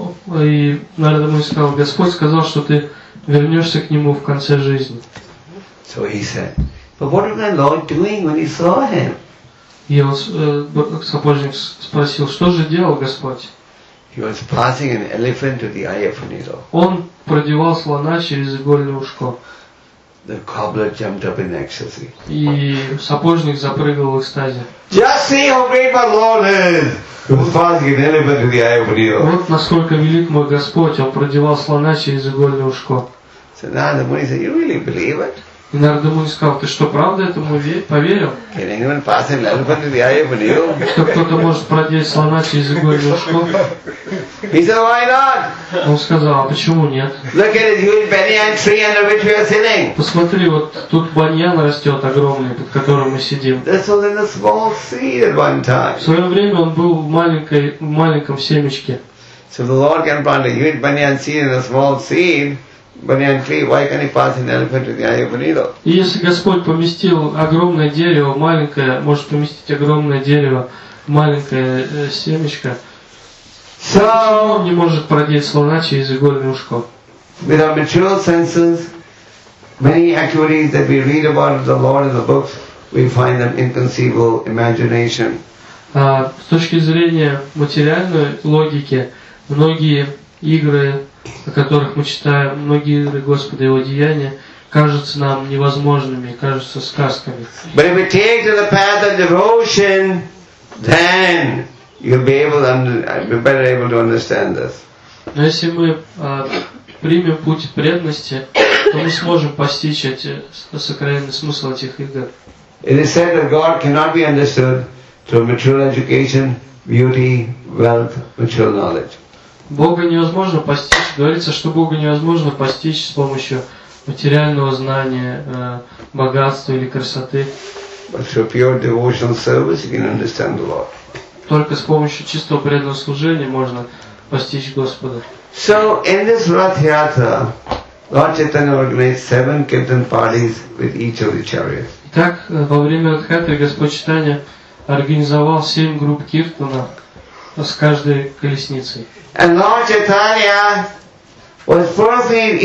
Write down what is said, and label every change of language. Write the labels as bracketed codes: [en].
[ru] И Нарада Муни сказал, Господь сказал, что ты вернешься к Нему в конце жизни. [en] So he said, "But what was my Lord doing when he saw him?" [ru] И он сапожник спросил, что же делал Господь? [en] He was passing an elephant to the eye of a needle. [ru] Он продевал слона через игольное ушко. [en] The cobbler jumped up in ecstasy. [ru] И сапожник запрыгнул в экстазе. [en] Just see how great my Lord is. He was passing an elephant to the eye of a needle. [ru] Вот насколько велик мой Господь, он продевал слона через игольное ушко. [en] So now the money said, "You really believe it?" [ru] И Нарада Муни сказал, ты что, правда этому поверил? [en] Can anyone pass an elephant to the eye of a needle? [ru] Что кто-то может продеть слона через игольное ушко? [en] He said, "Why not?" [ru] Он сказал, а почему нет? [en] Look at it, huge banyan tree under which we are sitting. [ru] Посмотри, вот тут баньян растет огромный, под которым мы сидим. [en] That's all in a small seed at one time. [ru] В свое время он был в маленьком семечке. [en] So the Lord can plant a huge banyan seed in a small seed. Banyan tree, why can he pass an elephant to the eye of a needle? [ru] Если Господь поместил огромное дерево, маленькое, может поместить огромное дерево, маленькое семечко, [en] so, [ru] почему он не может продеть слона через игольное ушко? [en] With our material senses, many activities that we read about the Lord in the books, we find them inconceivable imagination. [ru] С точки зрения материальной логики, многие игры, о которых мы читаем, многие игры Господа и Его деяния, кажутся нам невозможными, кажутся сказками. [en] But if we take to the path of devotion, then you'll be able to better able to understand this. [ru] Но если мы примем путь преданности, то мы сможем постичь эти сокровенный смысл этих игр. [en] It is said that God cannot be understood through material education, beauty, wealth, material knowledge. [ru] Бога невозможно постичь. Говорится, что Бога невозможно постичь с помощью материального знания, богатства или красоты. [en] But through pure devotional service you can understand the Lord. [ru] Только с помощью чистого преданного служения можно постичь Господа. [en] So in this Rath Yatra, Lord Chaitanya organized 7 kirtan parties with each of the chariots. [ru] Итак, во время Rath Yatra Господь Chaitanya организовал 7 групп киртана с каждой колесницей. [en] And Lord Chaitanya was perfect.